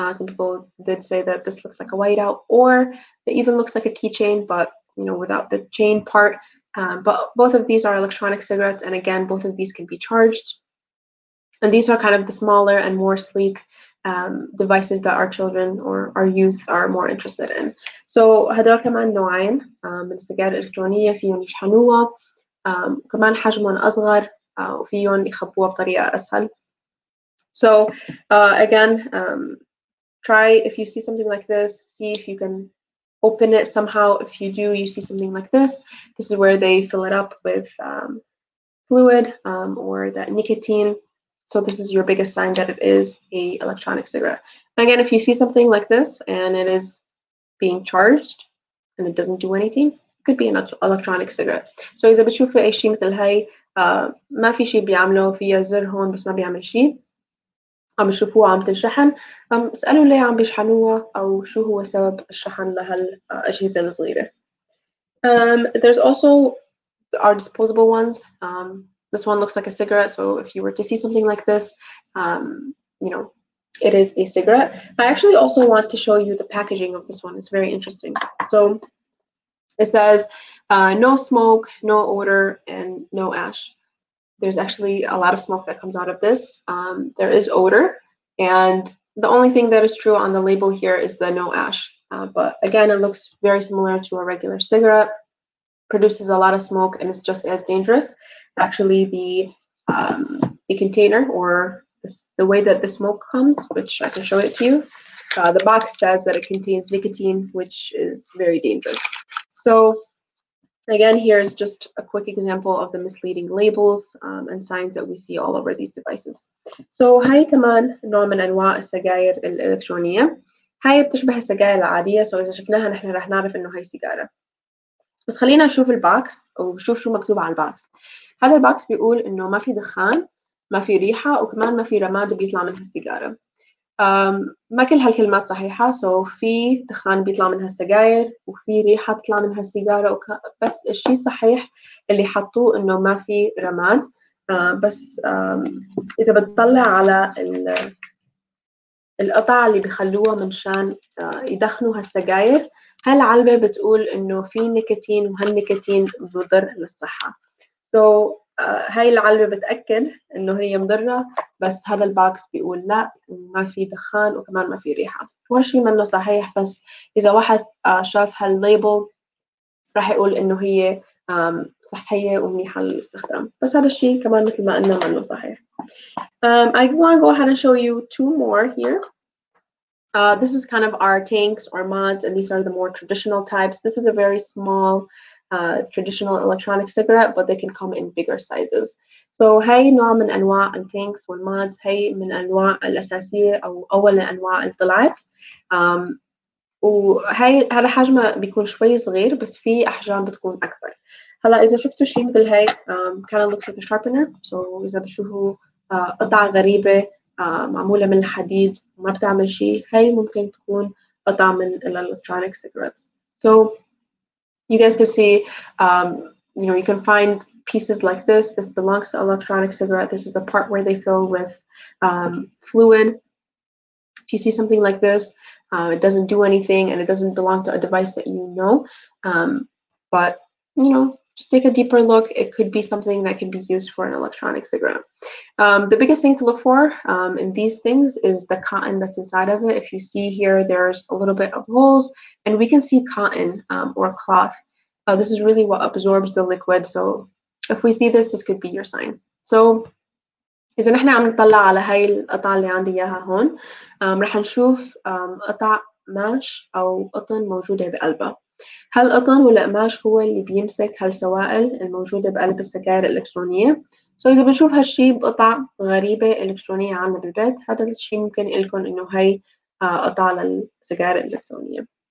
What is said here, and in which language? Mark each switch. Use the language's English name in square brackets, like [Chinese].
[English] Some people did say that this looks like a whiteout, or it even looks like a keychain, but you know, without the chain part. But both of these are electronic cigarettes, and again, both of these can be charged. And these are kind of the smaller and more sleek devices that our children or our youth are more interested in. [Arabic] So هذول كمان نوعين من السجائر الإلكترونية، فيهم يشحنوها. كمان حجمهم أصغر وفيهم يخبوها بطريقة أسهل. [English] So again, try if you see something like this, see if you can open it somehow. If you do, you see something like this, this is where they fill it up with fluid or that nicotine. So this is your biggest sign that it is a electronic cigarette. And again, if you see something like this and it is being charged and it doesn't do anything, could be an electronic cigarette. [Arabic] So إذا بتشوف أي شيء مثل هاي، ما في شيء بيعمله، في زر هون بس ما بيعمل شيء، عم تشوفوه عم تنشحن، اسألوا ليه عم بيشحنوها أو شو هو سبب الشحن لهالأجهزة الصغيرة. [English] There's also our disposable ones. This one looks like a cigarette. So if you were to see something like this, you know, it is a cigarette. I actually also want to show you the packaging of this one. It's very interesting. So it says no smoke, no odor, and no ash. There's actually a lot of smoke that comes out of this. There is odor, and the only thing that is true on the label here is the no ash. But again, it looks very similar to a regular cigarette, produces a lot of smoke, and it's just as dangerous. Actually, the container or the way that the smoke comes, which I can show it to you, the box says that it contains nicotine, which is very dangerous. So again, here's just a quick example of the misleading labels and signs that we see all over these devices. [Arabic] So هاي كمان نوع من أنواع السجائر الإلكترونية. هاي بتشبه السجائر العادية، so إذا شفناها نحن رح نعرف إنه هاي سيجارة. بس خلينا نشوف الباكس وشوف شو مكتوب على الباكس. هذا الباكس بيقول إنه ما في دخان، ما في ريحة، وكمان ما في رماد بيطلع من هالسيجارة. ما كل هالكلمات صحيحة. So في دخان بيطلع من هالسجائر وفي ريحة تطلع من هالسيجارة بس الشيء صحيح اللي حطوه إنه ما في رماد. بس إذا بتطلع على القطع اللي بيخلوها منشان يدخنوا هالسجائر هالعلبة بتقول إنه في نيكوتين وهالنيكوتين بضر للصحة. So هاي العلبة بتأكد إنه هي مضرة بس هذا الباكس بيقول لا ما في دخان وكمان ما في ريحة. هو شيء منه صحيح بس إذا واحد شاف هالليبل راح يقول إنه هي صحية ومنيحة للاستخدام. بس هذا الشيء كمان مثل ما قلنا منه صحيح. [English] I want to go ahead and show you two more here. This is kind of our tanks or mods, and these are the more traditional types. This is a very small traditional electronic cigarette, but they can come in bigger sizes. [Arabic] So هاي نوع من أنواع التانكس والمودز هاي من أنواع الأساسية أو أول أنواع الطلعت. وهاي هذا حجمه بيكون شوي صغير بس في أحجام بتكون أكبر. هلا إذا شفتوا شيء مثل هاي [English] kind of looks like a sharpener. [Arabic] So إذا بتشوفوا قطعة غريبة معمولة من الحديد ما بتعمل شيء هاي ممكن تكون قطعة من الإلكترونيك سيجارتس. [English] So you guys can see, you know, you can find pieces like this. This belongs to electronic cigarette. This is the part where they fill with fluid. If you see something like this, it doesn't do anything and it doesn't belong to a device that you know. But, you know, just take a deeper look. It could be something that could be used for an electronic cigarette. The biggest thing to look for in these things is the cotton that's inside of it. If you see here, there's a little bit of holes and we can see cotton or cloth. This is really what absorbs the liquid. So if we see this, this could be your sign. [Arabic] So إذا نحن عم نطلع على هاي القطع اللي عندي إياها هون رح نشوف قطع ماش أو قطن موجودة بقلبها. هل قطن ولا قماش هو اللي بيمسك هالسوائل الموجودة بقلب السجائر الإلكترونية؟ So إذا بنشوف هالشي بقطع غريبة إلكترونية عندنا بالبيت هذا الشيء ممكن إلكن إنه هاي قطع للسجائر الإلكترونية.